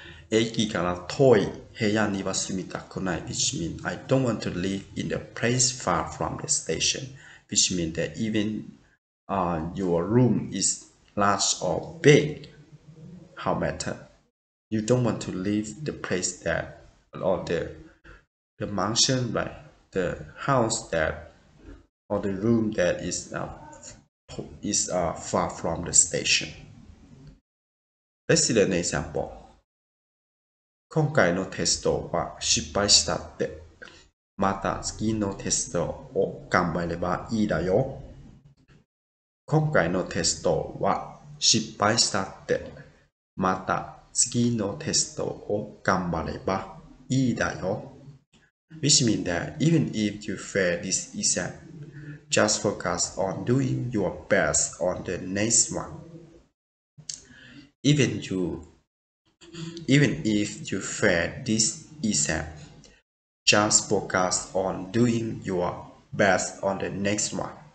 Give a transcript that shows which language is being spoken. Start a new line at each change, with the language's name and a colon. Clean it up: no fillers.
Japanese: Eki kara toi heya ni wa sumitakunai,
English: which means I don't want to live in a place far from the station, which means that even your room is large or big, how matter? You don't want to leave the place that, or the mansion, right? The house that, or the room that is far from the station. Let's see the next example.
Japanese: 今回のテストは失敗したって。また次のテストを頑張ればいいだよ。今回のテストは失敗したって。また次のテストを頑張ればいいだよ。
English: Which means that even if you fail this exam, just focus on doing your best on the next one. Even if you fail this exam, just focus on doing your best on the next one.